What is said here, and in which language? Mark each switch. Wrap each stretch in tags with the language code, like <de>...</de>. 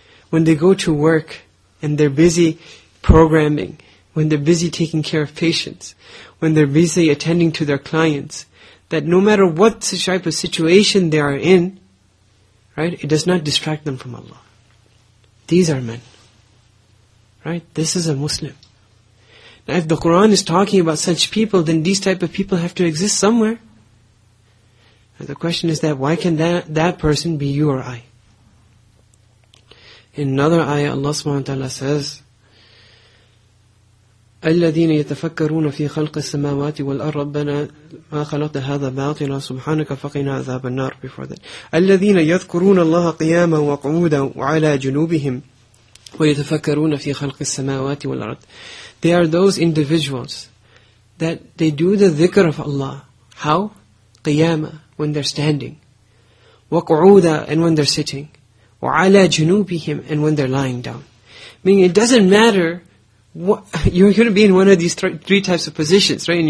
<en>When they go to work and they're busy programming, when they're busy taking care of patients, when they're busy attending to their clients, that no matter what type of situation they are in, right, it does not distract them from Allah. These are men. Right? This is a Muslim. Now if the Quran is talking about such people, then these type of people have to exist somewhere. Now, the question is that why can that person be you or I? In another ayah, Allah subhanahu wa ta'ala says,</en> <ar>الَّذِينَ يَتَفَكَّرُونَ فِي خَلْقِ السَّمَاوَاتِ وَالْأَرْضِ رَبَّنَا مَا خَلَقْتَ هَذَا بَاطِلًا سُبْحَانَكَ فَقِنَا عَذَابَ النَّارِ.</ar> <en>Before that,</en> <ar>الَّذِينَ يَذْكُرُونَ اللَّهَ قِيَامًا وَقُعُودًا وَعَلَى جُنُوبِهِمْ وَيَتَفَكَّرُونَ فِي خَلْقِ السَّمَاوَاتِ وَالْأَرْضِ.</ar> <en>They are those individuals that they do the dhikr of Allah. How?</en> <ar>قِيَامًا,</ar> <en>when they're standing.</en> <ar>وَقُعُودًا,</ar> <en>and when they're sitting.</en> <ar>وَعَلَى جُنُوبِهِمْ,</ar> <en>and when they're lying down. Meaning it doesn't matter. What, you're going to be in one of these three types of positions, right?</en>